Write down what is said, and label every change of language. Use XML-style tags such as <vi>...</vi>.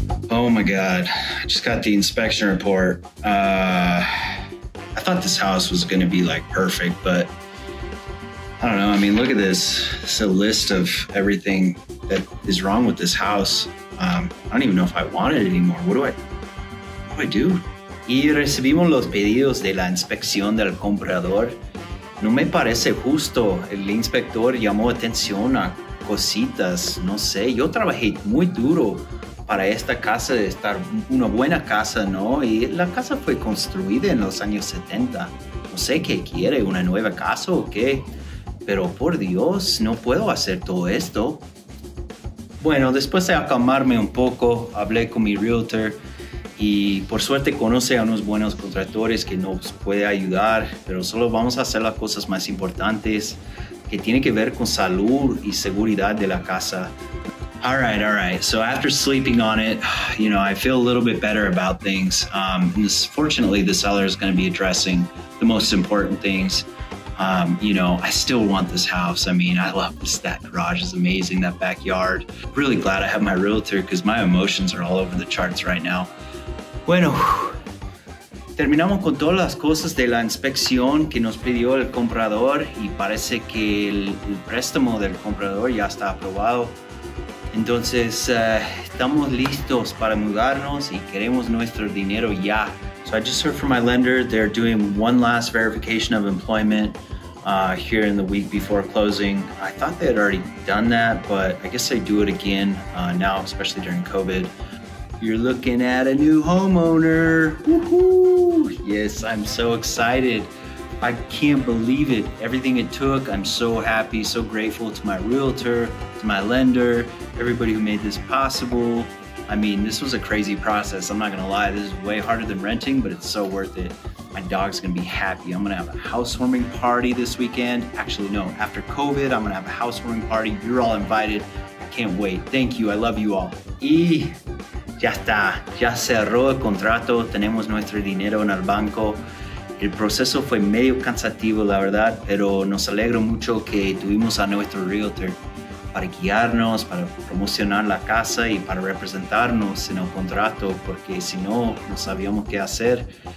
<en>Oh my God, I just got the inspection report. I thought this house was gonna be like perfect, but I don't know. I mean, look at this. It's a list of everything that is wrong with this house. I don't even know if I want it anymore. What do I do?</en> <es>Y recibimos los pedidos de la inspección del comprador. No me parece justo. El inspector llamó atención a cositas. No sé, yo trabajé muy duro para esta casa de estar una buena casa, ¿no? Y la casa fue construida en los años 70. No sé qué quiere, una nueva casa o qué. Pero por Dios, no puedo hacer todo esto. Bueno, después de acalmarme un poco, hablé con mi realtor. Y por suerte conoce a unos buenos contratores que nos puede ayudar, pero solo vamos a hacer las cosas más importantes que tienen que ver con salud y seguridad de la casa.</es> <en>All right. So after sleeping on it, you know, I feel a little bit better about things. Fortunately, the seller is going to be addressing the most important things. You know, I still want this house. I mean, I love this. That garage is amazing, that backyard. Really glad I have my realtor because my emotions are all over the charts right now.</en> <es>Bueno, terminamos con todas las cosas de la inspección que nos pidió el comprador y parece que el préstamo del comprador ya está aprobado. Entonces, estamos listos para mudarnos y queremos nuestro dinero ya.</es> <en>So I just heard from my lender, they're doing one last verification of employment here in the week before closing. I thought they had already done that, but I guess they do it again now, especially during COVID. You're looking at a new homeowner. Woohoo! Yes, I'm so excited. I can't believe it. Everything it took, I'm so happy, so grateful to my realtor, to my lender, everybody who made this possible. I mean, this was a crazy process. I'm not gonna lie, this is way harder than renting, but it's so worth it. My dog's gonna be happy. I'm gonna have a housewarming party this weekend. Actually, no, after COVID, I'm gonna have a housewarming party. You're all invited. I can't wait. Thank you, I love you all.</en> <es>Ya está, ya cerró el contrato, tenemos nuestro dinero en el banco. El proceso fue medio cansativo, la verdad, pero nos alegro mucho que tuvimos a nuestro realtor para guiarnos, para promocionar la casa y para representarnos en el contrato, porque si no, no sabíamos qué hacer.</es>